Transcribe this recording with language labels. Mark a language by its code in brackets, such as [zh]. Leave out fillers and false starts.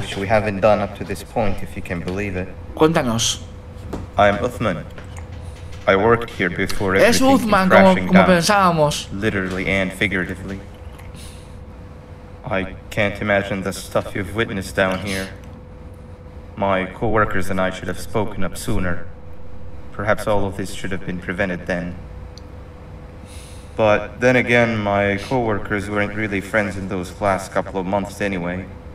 [en] Which we haven't done up to this point, if you can believe it. [es] Cuéntanos. [en] I'm Uthman. I worked here before. [es] Es Uthman, como pensábamos. [en] Literally and figuratively. I can't imagine the stuff you've witnessed down here. My co-workers and I should have spoken up sooner. Perhaps all of this should have been prevented then. But then again, my co-workers weren't really friends in those last couple of months anyway.